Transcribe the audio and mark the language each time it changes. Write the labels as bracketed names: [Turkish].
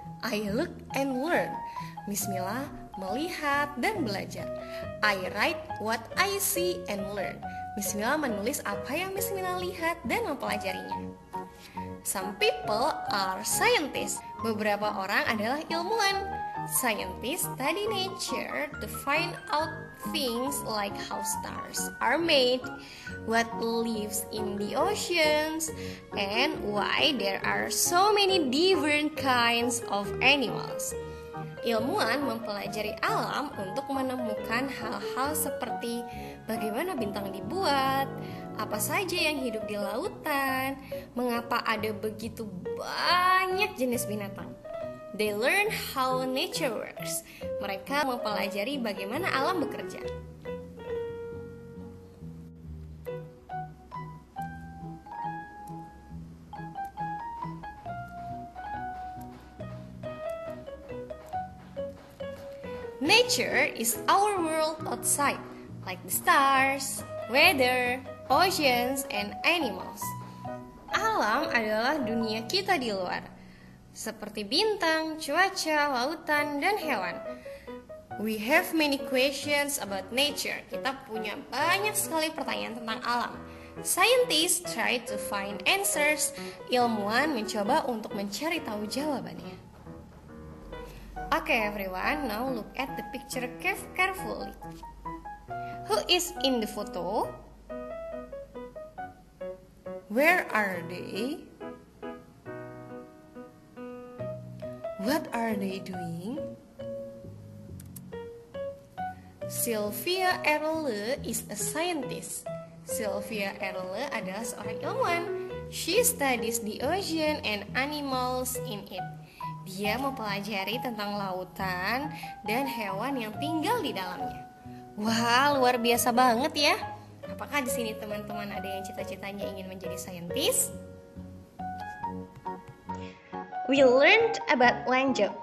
[English] I look and learn. [Indonesian] Bismillah melihat dan belajar. [English] I write what I see and learn. [Indonesian] Bismillah menulis apa yang Bismillah lihat dan mempelajarinya. [English] Some people are scientists. [Indonesian] Beberapa orang adalah ilmuwan. [English] Scientists study nature to find out things like how stars are made, what lives in the oceans, and why there are so many different kinds of animals. [Indonesian] Ilmuwan mempelajari alam untuk menemukan hal-hal seperti bagaimana bintang dibuat, apa saja yang hidup di lautan, mengapa ada begitu banyak jenis binatang. [English] They learn how nature works. [Indonesian] Mereka mempelajari bagaimana alam bekerja. [English] Nature is our world outside, like the stars, weather, oceans, and animals. [Indonesian] Alam adalah dunia kita di luar, seperti bintang, cuaca, lautan, dan hewan. [English] We have many questions about nature. [Indonesian] Kita punya banyak sekali pertanyaan tentang alam. [English] Scientists try to find answers. [Indonesian] Ilmuwan mencoba untuk mencari tahu jawabannya. [English] Okay everyone, now look at the picture carefully. Who is in the photo? Where are they? What are they doing? Sylvia Erle is a scientist. [Indonesian] Sylvia Erle adalah seorang ilmuwan. [English] She studies the ocean and animals in it. [Indonesian] Dia mempelajari tentang lautan dan hewan yang tinggal di dalamnya. Wah, luar biasa banget ya. Apakah di sini teman-teman ada yang cita-citanya ingin menjadi scientist? [English] We learned about one job.